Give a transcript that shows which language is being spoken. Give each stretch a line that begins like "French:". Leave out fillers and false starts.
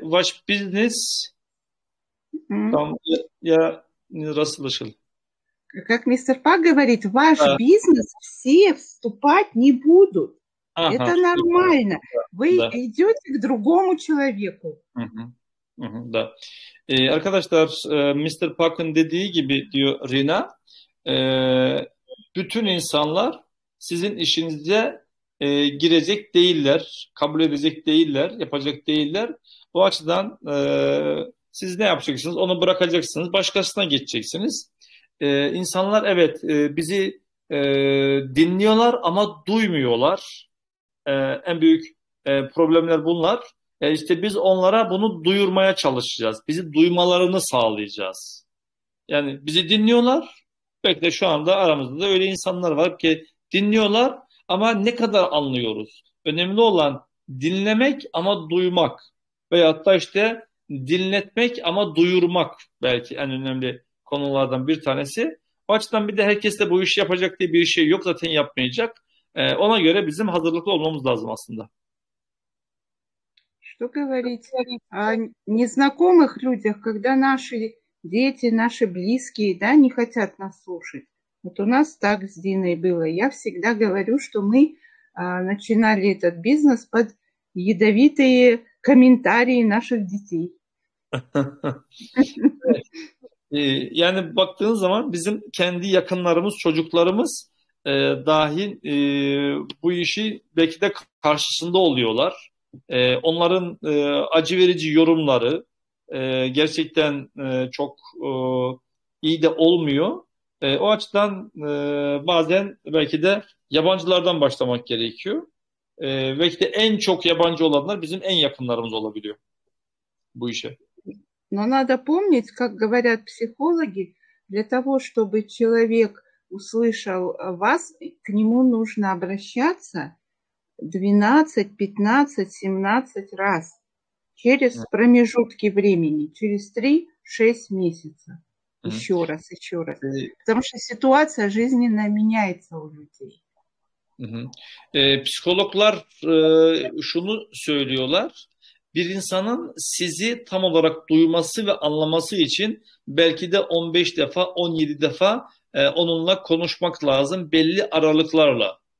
Russian: Ваш бизнес? Там я не расслышал. Как мистер Пак говорит, ваш бизнес все вступать не будут. Ага, это нормально. Да, вы да. идете к другому человеку. Да.
Turkish: Arkadaşlar, Mr. Park'ın dediği gibi diyor Rina, bütün insanlar sizin işinize girecek değiller, kabul edecek değiller, yapacak değiller. Bu açıdan siz ne yapacaksınız? Onu bırakacaksınız, başkasına geçeceksiniz. İnsanlar evet bizi dinliyorlar ama duymuyorlar. En büyük problemler bunlar. İşte biz onlara bunu duyurmaya çalışacağız. Bizi duymalarını sağlayacağız. Yani bizi dinliyorlar. Belki de şu anda aramızda da öyle insanlar var ki dinliyorlar ama ne kadar anlıyoruz? Önemli olan dinlemek ama duymak. Veyahut da işte dinletmek ama duyurmak. Belki en önemli konulardan bir tanesi. O açıdan bir de herkes de bu işi yapacak diye bir şey yok, zaten yapmayacak. Ona göre bizim hazırlıklı olmamız lazım aslında.
Russian: Что говорить о незнакомых людях, когда наши дети, наши близкие, да, не хотят нас слушать. Вот у нас так с Диной было. Я всегда говорю, что мы начинали этот бизнес под ядовитые комментарии наших детей.
Turkish: Yani baktığın zaman bizim kendi yakınlarımız, çocuklarımız dahil bu işi belki de karşısında oluyorlar. Onların acı verici yorumları gerçekten çok iyi de olmuyor. O açıdan bazen belki de yabancılardan başlamak gerekiyor. Belki de en çok yabancı olanlar bizim en yakınlarımız olabiliyor bu işe.
Russian: Но надо помнить, как говорят психологи, для того, чтобы человек услышал вас, к нему нужно обращаться 12, 15, 17 раз через промежутки времени, через 3-6 месяцев. Еще раз, еще раз. Потому что ситуация жизненно меняется у людей.
Turkish: Психологлар şunu söylüyorlar. Bir insanın sizi tam olarak duyması ve anlaması için belki de 15 defa, 17 defa onunla konuşmak lazım belli aralıklarla.